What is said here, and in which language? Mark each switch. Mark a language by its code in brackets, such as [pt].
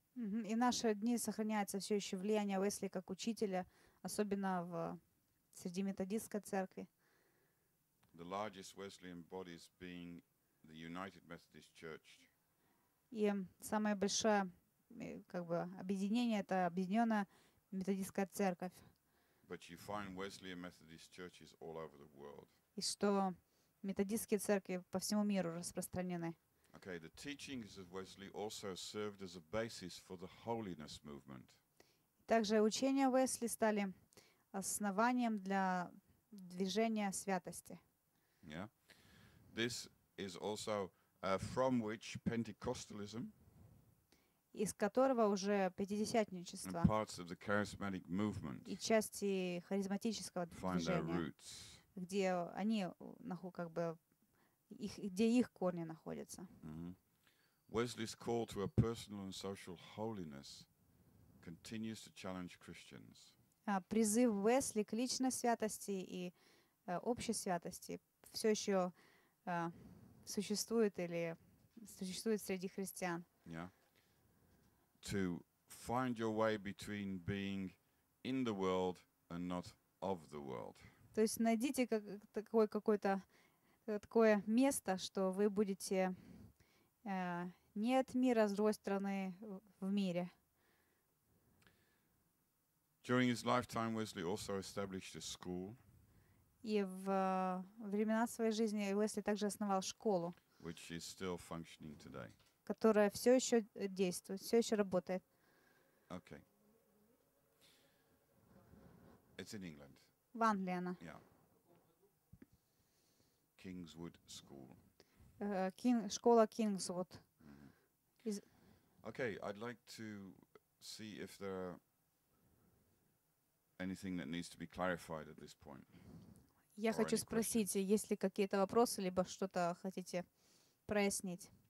[ru] Mm-hmm. И в наши дни сохраняется все еще влияние Уэсли как учителя, особенно в среди методистской церкви. [en] The largest Wesleyan bodies being the United Methodist Church. [ru] И самое большое как бы объединение — это Объединённая методистская церковь. [en] But you find Wesleyan Methodist churches all over the world. [ru] И что методистские церкви по всему миру распространены. [en] Okay, the teachings of Wesley also served as a basis for the holiness movement. [ru] Также учения Уэсли стали основанием для движения святости. [en] Yeah. This is also from which Pentecostalism, [ru] из которого уже пятидесятничество, [en] and parts of the charismatic movement, [ru] и части харизматического [en] find [ru] движения, [en] their roots, [ru] где они как бы их, где их корни находятся. [en] Mm-hmm. Wesley's call to a personal and social holiness continues to challenge Christians. [ru] Призыв Уэсли к личной святости и общей святости все еще существует среди христиан. [en] Yeah. To find your way between being in the world and not of the world. [ru] То есть найдите какое-то такое место, что вы будете не от мира, с другой стороны, в мире. [en] During his lifetime, Wesley also established a school. [ru] И в времена своей жизни Уэсли также основал школу. [en] which is still functioning today. [ru] Которая все еще действует, все еще работает. [en] Okay. It's in England. [ru] В Англии она. [en] Yeah. Kingswood School. [ru] Школа Kingswood. [en] Okay, I'd like to see if there are anything that needs to be clarified at this point. [ru] Я хочу спросить, есть ли какие-то вопросы, либо что-то хотите прояснить?